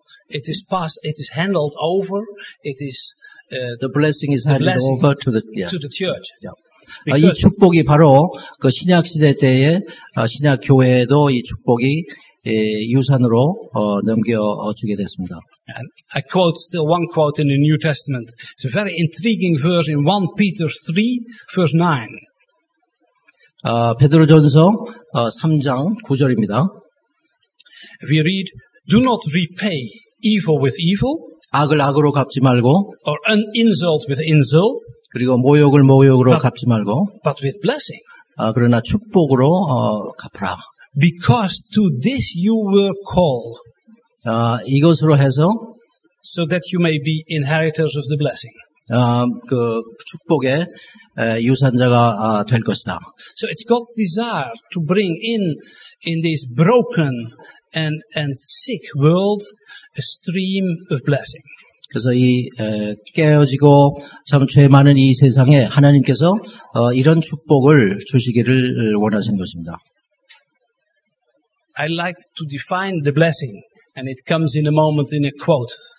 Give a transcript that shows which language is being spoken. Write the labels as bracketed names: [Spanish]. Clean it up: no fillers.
[English] It is passed, it is handled over, it is, the blessing is handed blessing over to the, yeah. to the church. Yeah. [Korean] 이 축복이 바로 그 신약 시대 때에, 신약 교회에도 이 축복이 유산으로 넘겨주게 됐습니다. [English] And I quote still one quote in the New Testament. It's a very intriguing verse in 1 Peter 3, verse 9. [Korean] 베드로 전서 3장 9절입니다. [English] We read, do not repay evil with evil, [Korean] 악을 악으로 갚지 말고, [English] or an insult with insult, [Korean] 그리고 모욕을 모욕으로 갚지 말고, [English] but with blessing, [Korean] 그러나 축복으로 갚으라. [English] Because to this you were called, [Korean] 이것으로 해서, [English] so that you may be inheritors of the blessing. [Korean] 그 축복의 유산자가 될 것이다. [English] So it's God's desire to bring in this broken and sick world a stream of blessing. [Korean] 그래서 이 깨어지고 참 죄 많은 이 세상에 하나님께서 이런 축복을 주시기를 원하신 것입니다. [English] I like to define the blessing, and it comes in a moment in a quote.